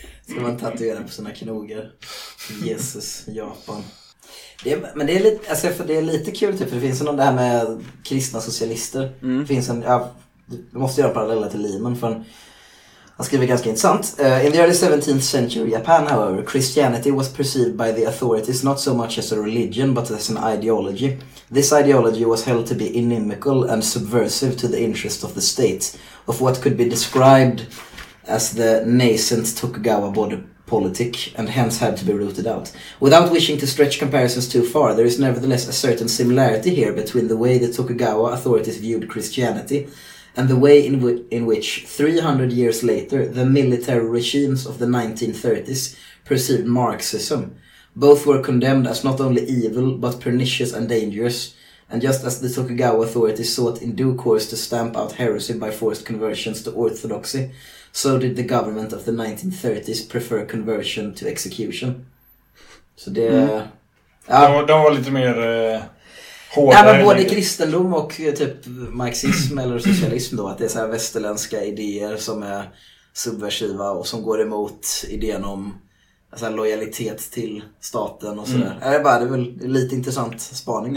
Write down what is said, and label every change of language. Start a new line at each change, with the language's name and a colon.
Swedish: Ska man tatuera på sina knogar? Jesus, Japan. Det är lite kul typ, för det finns ju någon där med kristna socialister. Mm. Det finns en, ja, du måste göra paralleller till Lehman, för han skriver ganska intressant.
English: In the early 17th century Japan, however, Christianity was perceived by the authorities not so much as a religion, but as an ideology. This ideology was held to be inimical and subversive to the interest of the state, of what could be described as the nascent Tokugawa body politic, and hence had to be rooted out. Without wishing to stretch comparisons too far, there is nevertheless a certain similarity here between the way the Tokugawa authorities viewed Christianity and the way in which 300 years later the military regimes of the 1930s perceived Marxism. Both were condemned as not only evil but pernicious and dangerous. And just as the Tokugawa authorities sought in due course to stamp out heresy by forced conversions to orthodoxy, so did the government of the 1930s prefer conversion to execution.
Swedish: Så det, mm. Ja. De var lite mer hårdare. Nej, men både kristendom och typ marxism eller socialism då, att det är så här västerländska idéer som är subversiva och som går emot idén om alltså, lojalitet till staten och sådär. Mm. Det är bara, det är väl lite intressant spaning.